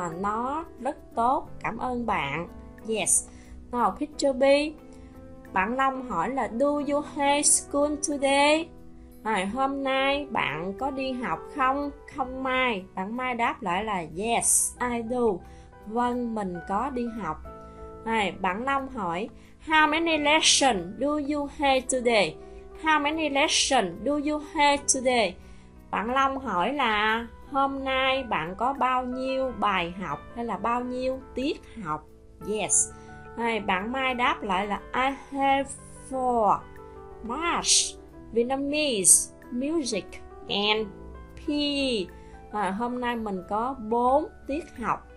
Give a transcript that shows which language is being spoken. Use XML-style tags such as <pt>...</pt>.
<vi>Nó rất tốt. Cảm ơn bạn. Yes.</vi> <en>Now picture B.</en> <vi>Bạn Long hỏi là</vi> <en>do you have school today?</en> <vi>Hôm nay bạn có đi học không? Không Mai. Bạn Mai đáp lại là</vi> <en>yes, I do.</en> <vi>Vâng, mình có đi học. Bạn Long hỏi</vi> <en>how many lessons do you have today? How many lessons do you have today?</en> <vi>Bạn Long hỏi là hôm nay bạn có bao nhiêu bài học hay là bao nhiêu tiết học? Yes. Bạn Mai đáp lại là</vi> <en>I have 4. Much. Vietnamese, music, and PE.</en> <vi>Hôm nay mình có 4 tiết học.</vi>